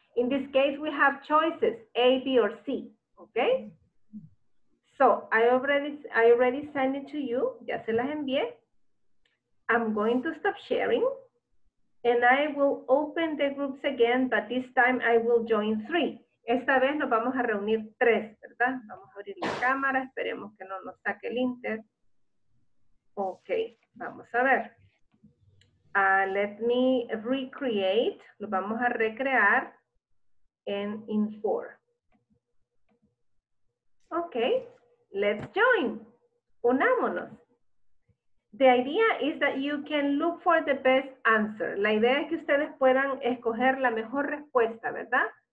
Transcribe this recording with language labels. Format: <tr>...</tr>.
<en>In this case, we have choices, A, B, or C, okay? So I already sent it to you.</en> <es>Ya se las envié.</es> <en>I'm going to stop sharing and I will open the groups again, but this time I will join three.</en> <es>Esta vez nos vamos a reunir tres, ¿verdad? Vamos a abrir la cámara, esperemos que no nos saque el inter. Okay, vamos a ver.</es> <en>Let me recreate,</en> <es>lo vamos a recrear</es> <en>in four. Okay, let's join.</en> <es>Unámonos.</es> <en>The idea is that you can look for the best answer.</en> <es>La idea es que ustedes puedan escoger la mejor respuesta, ¿verdad?</es>